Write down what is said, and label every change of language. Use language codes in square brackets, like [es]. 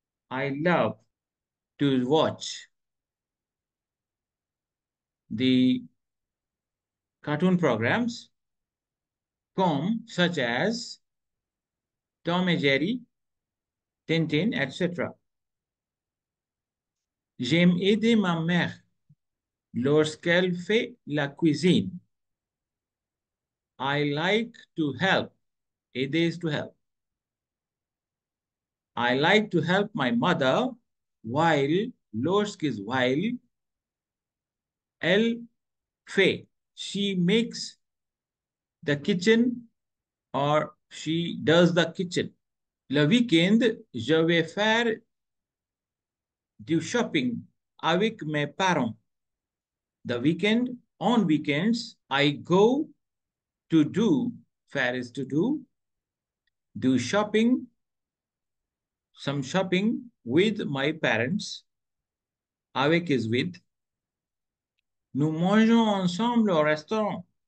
[en] I love to watch the cartoon programs, comme such as Tom and Jerry, Tintin, etc. [fr] J'aime aider ma mère lorsqu'elle fait la cuisine. [en] I like to help. Aider is to help. I like to help my mother while, lorsque is while, [fr] elle fait. [en] She makes the kitchen or she does the kitchen. [fr] Le week-end, je vais faire du shopping avec mes parents. [en] The weekend, on weekends, I go to do, faire is to do shopping, some shopping with my parents. [fr] Avec [en] is with. [fr] Nous mangeons ensemble au restaurant.